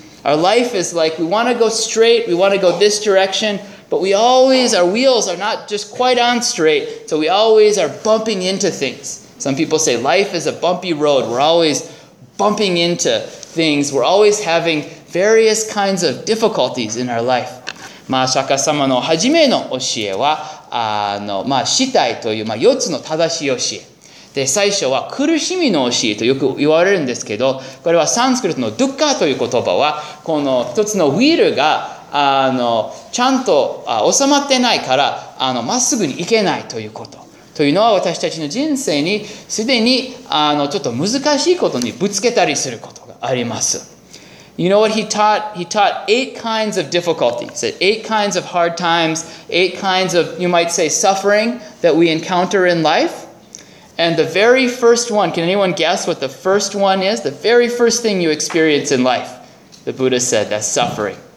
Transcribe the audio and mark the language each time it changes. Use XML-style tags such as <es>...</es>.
<en>Our life is like, we want to go straight, we want to go this direction, but we always, our wheels are not just quite on straight, so we always are bumping into things. Some people say life is a bumpy road. We're always bumping into things. We're always having various kinds of difficulties in our life.</en> <ja>まあ、釈迦様の初めの教えは、まあ、死体という、まあ、四つの正しい教え。で、最初は苦しみの教えとよく言われるんですけど、これはサンスクリットのドゥッカという言葉は、この一つのウィールが、ちゃんと収まってないから、まっすぐに行けないということ。というのは私たちの人生にすでに、ちょっと難しいことにぶつけたりすることがあります。</ja> <en>You know what he taught? He taught eight kinds of difficulty. He said eight kinds of hard times, eight kinds of, you might say, suffering that we encounter in life. And the very first one, can anyone guess what the first one is? The very first thing you experience in life, the Buddha said, that's suffering.</en>